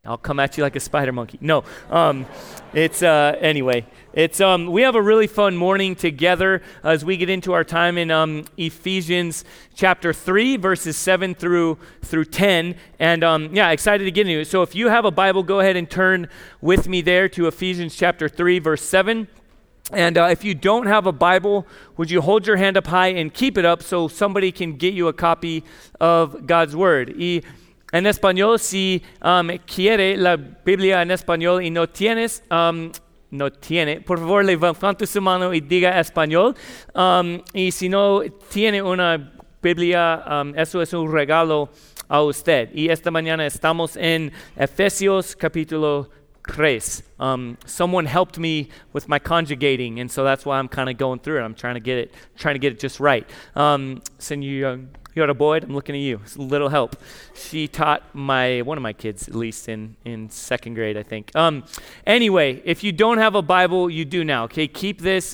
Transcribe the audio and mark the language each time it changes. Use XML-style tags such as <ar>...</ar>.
<en>I'll come at you like a spider monkey. No. We have a really fun morning together as we get into our time in Ephesians chapter 3, verses 7 through 10. And excited to get into it. So if you have a Bible, go ahead and turn with me there to Ephesians chapter 3, verse 7. And if you don't have a Bible, would you hold your hand up high and keep it up so somebody can get you a copy of God's Word?</en> <es>En español, si quiere la Biblia en español y no tiene, por favor levante su mano y diga español. Y si no tiene una Biblia, eso es un regalo a usted. Y esta mañana estamos en Efesios capítulo 3.</es> <en>Someone helped me with my conjugating, and so that's why I'm kind of going through it. I'm trying to get it just right. Señora Boyd, I'm looking at you. It's a little help. She taught one of my kids, at least in second grade, I think. Anyway, if you don't have a Bible, you do now, okay? Keep this.</en>